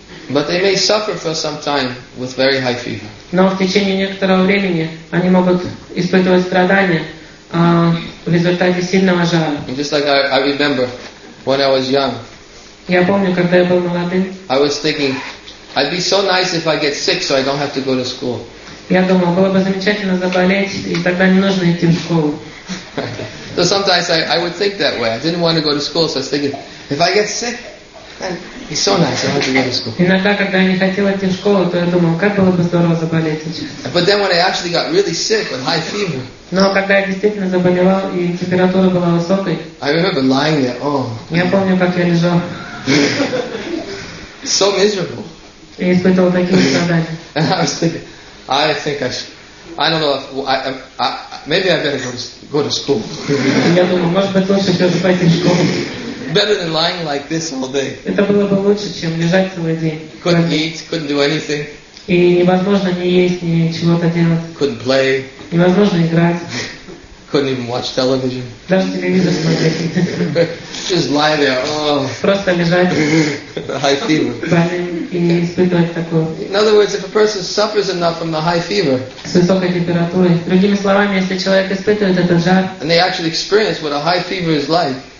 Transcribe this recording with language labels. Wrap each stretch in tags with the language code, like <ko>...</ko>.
<en>But they may suffer for some time with very high fever.</en> <ru>Но в течение некоторого времени они могут испытывать страдания в результате сильного жара.</ru> <en>And just like I remember when I was young.</en> <ru>Я помню, когда я был молодым.</ru> <en>I was thinking, I'd be so nice if I get sick so I don't have to go to school.</en> <ru>Я думал, было бы замечательно заболеть, и тогда не нужно идти в школу.</ru> <en>So sometimes I would think that way. I didn't want to go to school, so I was thinking, if I get sick, then it's so nice, I don't have to go to school.</en> <ru>Иногда, когда я не хотел идти в школу, то я думал, как было бы здорово заболеть сейчас.</ru> <en>But then when I actually got really sick with high fever,</en> <ru>но когда я действительно заболевал, и температура была высокой,</ru> <en>I remember lying there, oh.</en> <ru>Я помню, как я лежал.</ru> <en>So miserable.</en> <ru>И испытывал такие страдания.</ru> <en>And I was thinking, I think I should. I don't know. If, I maybe I better go to school.</en> <ru>Я думаю, может быть лучше сейчас пойти в школу.</ru> <en>Better than lying like this all day.</en> <ru>Это было бы лучше, чем лежать целый день.</ru> <en>Couldn't eat. Couldn't do anything.</en> <ru>И невозможно ни есть, ни чего-то делать.</ru> <en>Couldn't play.</en> <ru>Невозможно играть.</ru> <en>Couldn't even watch television.</en> <ru>Даже телевизор смотреть.</ru> <en>Just lie there. Oh.</en> <ru>Просто лежать.</ru> <en>High fever. In other words, if a person suffers enough from the high fever, and they actually experience what a high fever is like,</en>